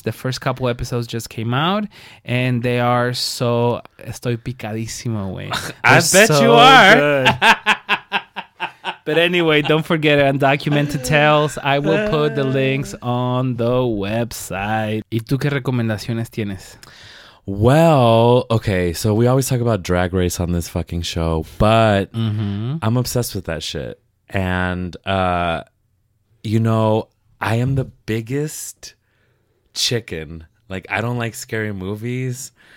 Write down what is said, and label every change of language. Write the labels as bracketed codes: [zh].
[en] Cool. The first couple episodes just came out. And they are so... [es] Estoy picadísimo, güey. [en] I bet so you are. But anyway, don't forget Undocumented Tales. I will put the links on the website. [es] ¿Y tú qué recomendaciones tienes? [en] Well, okay, so we always talk about Drag Race on this fucking show, but I'm obsessed with that shit. And, you know, I am the biggest chicken. Like, I don't like scary movies.